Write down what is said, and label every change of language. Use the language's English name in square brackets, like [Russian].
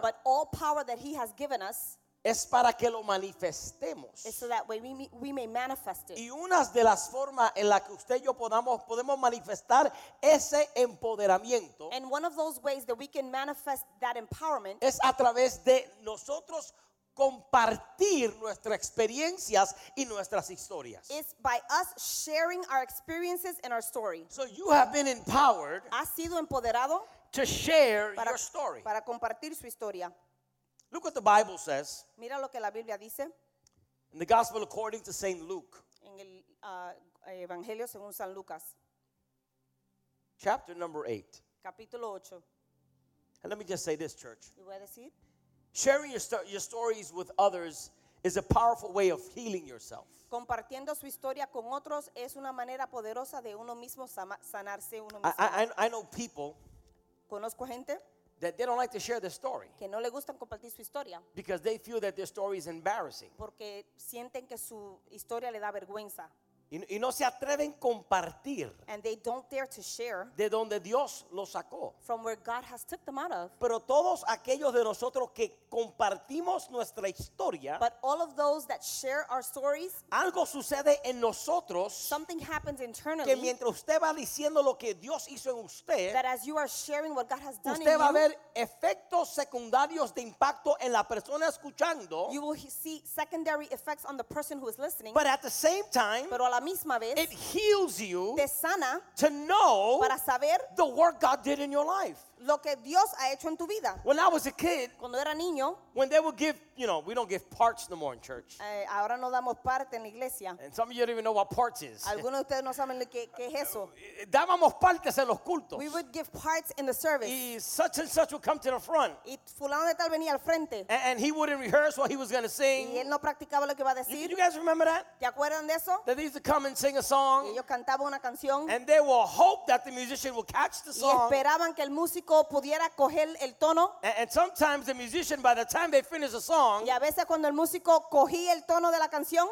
[English] But all power that he has given us. [Spanish] Es para que lo manifestemos. [English] It's so that we may manifest it. [Spanish] Y una de las formas en la que usted y yo podemos manifestar ese empoderamiento. [English] And one of those ways that we can manifest that empowerment. [Spanish] Es a través de nosotros compartir nuestras experiencias y nuestras historias. [English] It's by us sharing our experiences and our story. So you have been empowered. [Spanish] Has sido empoderado. [English] To share your story. [Spanish] Para compartir su historia. [English] Look what the Bible says. [Spanish] Mira lo que la Biblia dice. [English] In the Gospel according to St. Luke. [Spanish] En el Evangelio según San Lucas. [English] Chapter number 8. [Spanish] Capítulo 8. [English] And let me just say this, church. [Spanish] Y voy a decir. [English] Sharing your stories with others is a powerful way of healing yourself. [Spanish] Compartiendo su historia con otros es una manera poderosa de uno mismo sanarse uno mismo. [English] I know people. [Spanish] Conozco gente. [English] That they don't like to share their story. [Spanish] Que no le gustan compartir su historia. [English] Because they feel that their story is embarrassing. [Spanish] Porque sienten que su historia le da vergüenza. Y no se atreven a compartir. [English] And they don't dare to share. [Spanish] De donde Dios los sacó. [English] From where God has took them out of. [Spanish] Pero todos aquellos de nosotros que compartimos nuestra historia. [English] But all of those that share our stories. [Spanish] Algo sucede en nosotros. [English] Something happens internally. [Spanish] Que mientras usted va diciendo lo que Dios hizo en usted. [English] That as you are sharing what God has done in you. [Spanish] Usted va a ver efectos secundarios de impacto en la persona escuchando. [English] You will see secondary effects on the person who is listening. But at the same time. [Spanish] La misma vez, [English] it heals you [Spanish] te sana [English] to know [Spanish] para saber [English] the work God did in your life. [Spanish] Lo que Dios ha hecho en tu vida. [English] When I was a kid, [Spanish] cuando era niño, [English] when they would give, you know, we don't give parts no more in church. [Spanish] Ahora no damos parte en la iglesia. [English] And some of you don't even know what parts is. [Spanish] Algunos de ustedes no saben lo que es eso. Dábamos partes en los cultos. [English] We would give parts in the service. Y such and such would come to the front. [Spanish] Y fulano de tal venía al frente. [English] And he wouldn't rehearse what he was going to sing. [Spanish] Y él no practicaba lo que iba a decir. [English] You guys remember that? [Spanish] ¿Te acuerdan de eso? [English] That they used to come and sing a song. [Spanish] Y ellos cantaban una canción. [English] And they would hope that the musician would catch the song. [Spanish] Y esperaban que el músico pudiera coger el tono. [English] And sometimes the musician, by the time they finish a song, [Spanish] y a veces cuando el músico cogía el tono de la canción,